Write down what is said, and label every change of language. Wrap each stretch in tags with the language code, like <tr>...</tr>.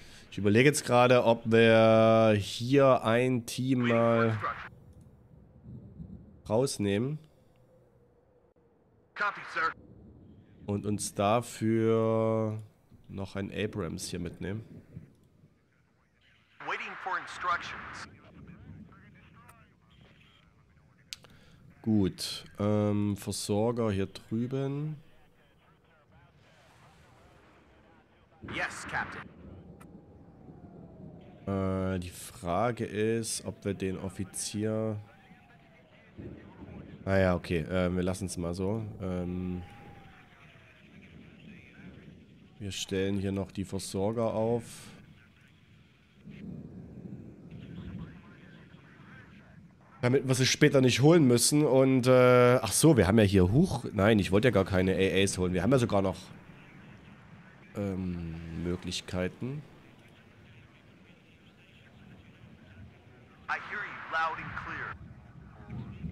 <de>Ich überlege jetzt gerade, ob wir hier ein Team mal rausnehmen.</de> <en>Copy, Sir.</en> <de>Und uns dafür noch ein Abrams hier mitnehmen.</de> <en>Waiting for instructions.</en> <de>Gut, Versorger hier drüben.</de> <en>Yes, Captain.</en> <de>Die Frage ist, ob wir den Offizier... Naja, okay, wir lassen es mal so. Wir stellen hier noch die Versorger auf. Damit wir sie später nicht holen müssen und ach so, wir haben ja hier hoch. Nein, ich wollte ja gar keine AAs holen. Wir haben ja sogar noch Möglichkeiten.</de> <en>I hear you loud and clear.</en>